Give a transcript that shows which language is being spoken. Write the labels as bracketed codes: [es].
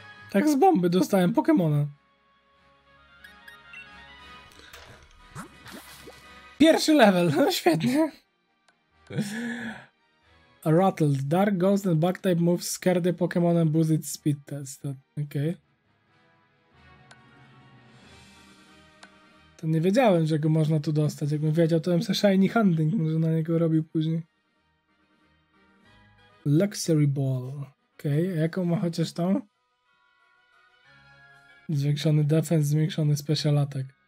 [pl] Tak z bomby dostałem Pokemona. Pierwszy level, no świetnie. [en] A rattled. Dark Ghost and Bug type moves scare the Pokemon and boost its speed test. [pl] Okej. Okay. Nie wiedziałem, że go można tu dostać. Jakbym wiedział, to bym se shiny hunting może na niego robił później. Luxury ball. Okej, okay. A jaką ma chociaż tą? Zwiększony defense, zwiększony special attack.